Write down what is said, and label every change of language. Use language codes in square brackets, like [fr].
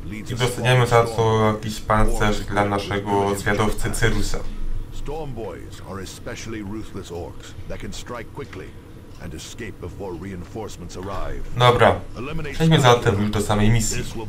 [pl] I dostaniemy za to jakiś pancerz dla naszego zwiadowcy Cyrusa. [en] Stormboys are especially ruthless orcs that can strike quickly and escape before reinforcements arrive. [pl] Dobra, przejdźmy zatem już do samej misji.